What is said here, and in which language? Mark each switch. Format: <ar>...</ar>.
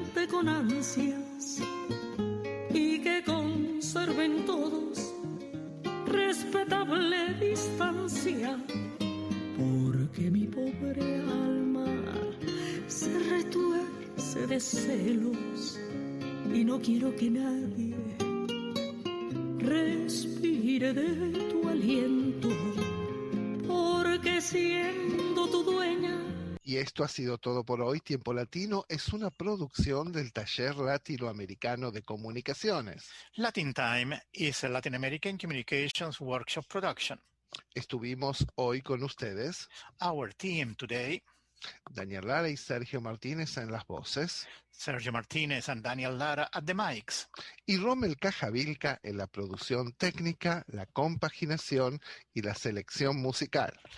<es>con ansias y que conserven todos respetable distancia, porque mi pobre alma se retuerce de celos y no quiero que nadie respire de tu aliento, porque siendo tu dueña. Y esto ha sido todo por hoy. Tiempo Latino es una producción del Taller Latinoamericano de Comunicaciones.</es> <en>Latin Time is a Latin American Communications Workshop Production.</en> <es>Estuvimos hoy con ustedes.</es> <en>Our team today.</en> <es>Daniel Lara y Sergio Martínez en las voces.</es> <en>Sergio Martínez and Daniel Lara at the mics.</en> <es>Y Rommel Cajavilca en la producción técnica, la compaginación y la selección musical.</es>